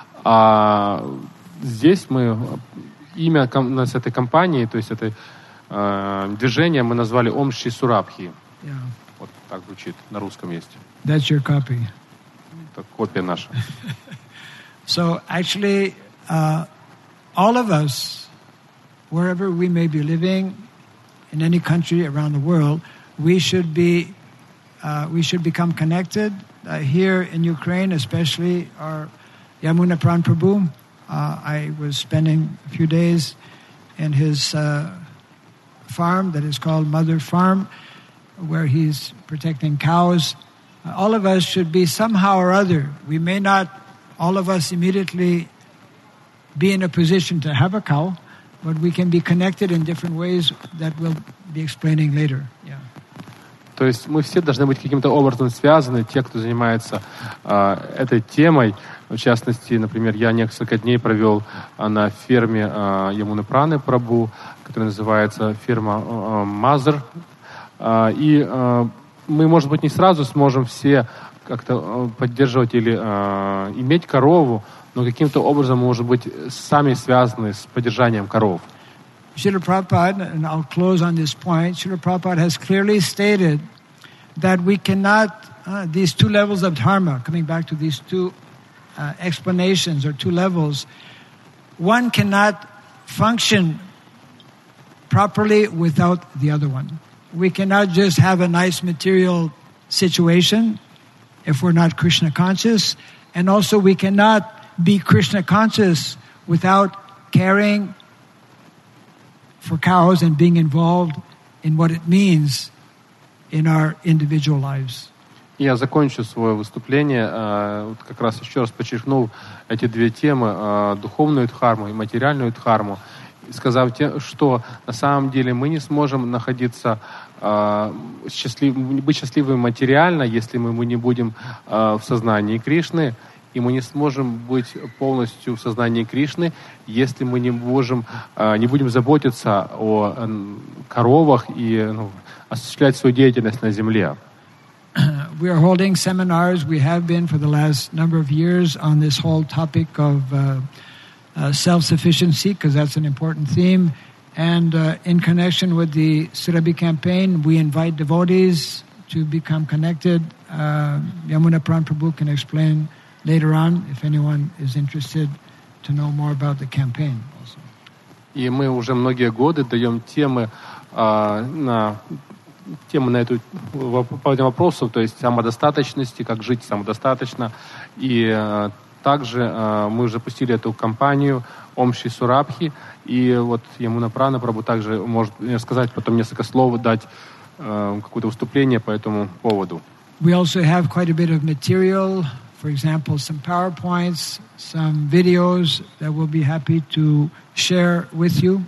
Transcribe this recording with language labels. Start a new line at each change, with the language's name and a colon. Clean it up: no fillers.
Russian: А здесь мы имя нас этой компании, то есть этой движение мы назвали Om Shri Surabhi.
English: Yeah.
Russian: Вот так звучит на русском есть.
English: That's your copy.
Russian: Это копия наша.
English: So actually, all of us, wherever we may be living, in any country around the world, we should become connected. Here in Ukraine, especially our Yamuna Pran Prabhu. I was spending a few days in his farm that is called Mother Farm, where he's protecting cows. All of us should be somehow or other. We may not all of us immediately be in a position to have a cow, but we can be connected in different ways that we'll be explaining later.
Russian: То есть мы все должны быть каким-то образом связаны, те, кто занимается этой темой. В частности, например, я несколько дней провел на ферме Ямуны Праны Прабу, которая называется ферма Мазер. И мы, может быть, не сразу сможем все как-то поддерживать или иметь корову, но каким-то образом, может быть, сами связаны с поддержанием коров.
English: Srila Prabhupada, and I'll close on this point, Srila Prabhupada has clearly stated that we cannot, these two levels of dharma, coming back to these two explanations or two levels, one cannot function properly without the other one. We cannot just have a nice material situation if we're not Krishna conscious. And also we cannot be Krishna conscious without caring for cows and being involved in what it means in our individual lives.
Russian: Я закончу свое выступление, вот как раз еще раз подчеркну эти две темы, духовную дхарму и материальную дхарму, сказав, что на самом деле мы не сможем находиться счастливыми, быть счастливыми материально, если мы не будем в сознании Кришны, и мы не сможем быть полностью в сознании Кришны, если мы не будем заботиться о коровах и осуществлять свою деятельность на земле.
English: We are holding seminars. We have been for the last number of years on this whole topic of self-sufficiency, because that's an important theme. And in connection with the Surabhi campaign, we invite devotees to become connected. Yamuna Pran Prabhu can explain later on if anyone is interested to know more about the campaign. Also.
Russian: И мы уже многие годы даем темы на тему на эту по этим вопросам, то есть самодостаточности, как жить самодостаточно. И также мы запустили эту кампанию Омши Сурабхи. И вот Ямуна Прана Прабу также может сказать потом несколько слов, дать какое-то выступление по этому поводу.
English: We also have quite a bit of material, for example, some PowerPoints, some videos that we'll be happy to share with you.